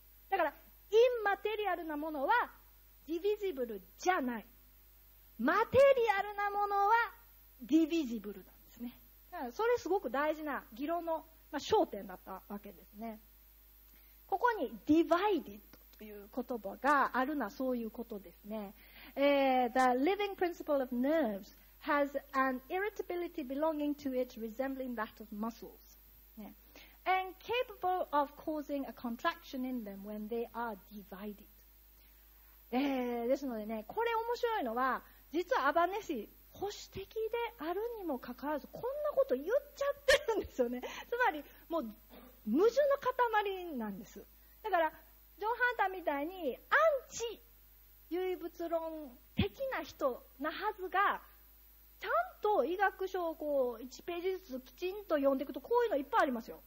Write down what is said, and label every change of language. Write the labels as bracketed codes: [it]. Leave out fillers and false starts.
[ja] だからインマテリアルなものはディビジブルじゃない、マテリアルなものはディビジブルなんですね。だからそれすごく大事な議論の、焦点だったわけですね。ここにディバイディッドという言葉があるのはそういうことですね。 [en] The living principle of nerves has an irritability belonging to it resembling that of muscles. And capable of causing a contraction in them when they are divided. [ja] ですのでね、これ面白いのは、実はアバネシ、保守的であるにもかかわらず、こんなこと言っちゃってるんですよね。つまり、もう、矛盾の塊なんです。だから、ジョン・ハンターみたいに、アンチ、唯物論的な人なはずが、ちゃんと医学書をこう1ページずつきちんと読んでいくと、こういうのいっぱいありますよ。